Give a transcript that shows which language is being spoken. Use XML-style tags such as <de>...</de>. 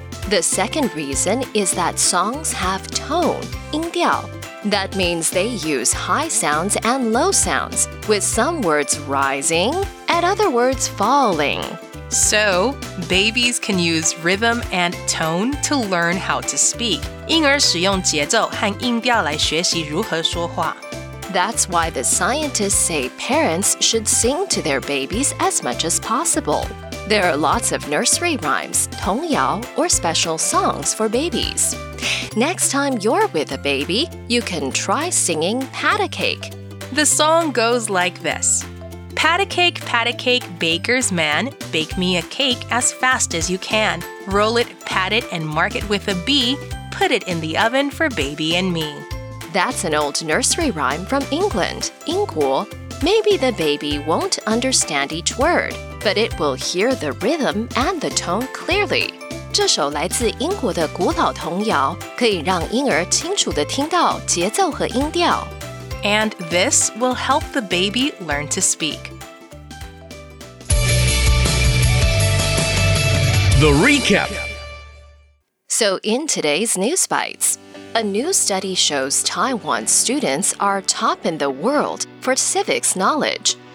<en>The second reason is that songs have tone, 音调. That means they use high sounds and low sounds, with some words rising and other words falling. So, babies can use rhythm and tone to learn how to speak.</en> <zh>婴儿使用节奏和音调来学习如何说话。</zh> <en>That's why the scientists say parents should sing to their babies as much as possible. There are lots of nursery rhymes, 童谣, or special songs for babies. Next time you're with a baby, you can try singing Pat a Cake. The song goes like this. Pat a cake, baker's man, bake me a cake as fast as you can. Roll it, pat it, and mark it with a B, put it in the oven for baby and me. That's an old nursery rhyme from England, 英国. Maybe the baby won't understand each word, but it will hear the rhythm and the tone clearly.</en> <zh>这首来自英国的古老童谣可以让婴儿清楚地听到节奏和音调。</zh> <en>And this will help the baby learn to speak. The recap. So in today's News Bites,A new study shows Taiwan students are top in the world for civics knowledge.</en>